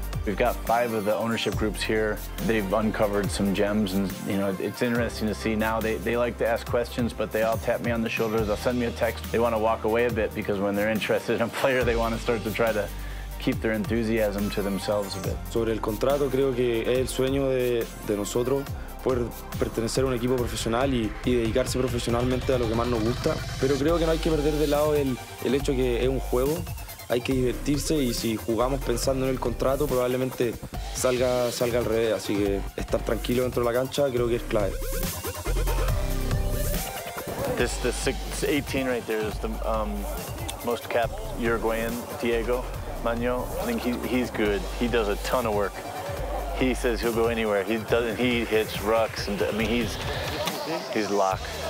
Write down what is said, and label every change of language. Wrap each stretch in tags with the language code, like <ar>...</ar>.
<en>We've got five of the ownership groups here. They've uncovered some gems, and you know, it's interesting to see now. They like to ask questions, but they all tap me on the shoulder. They'll send me a text. They want to walk away a bit because when they're interested in a player, they want to start to try to keep their enthusiasm to themselves a bit.</en> <es>Sobre el contrato, creo que es el sueño de nosotros poder pertenecer a un equipo profesional y dedicarse profesionalmente a lo que más nos gusta. Pero creo que no hay que perder de lado el hecho que es un juego. Hay que divertirse y si jugamos pensando en el contrato probablemente salga al revés. Así que estar tranquilo dentro de la cancha creo que es clave.</es> <en>This the 18 right there is the most capped Uruguayan, Diego Mano. I think he's good. He does a ton of work. He says he'll go anywhere. He hits rucks and I mean he's locked.</en>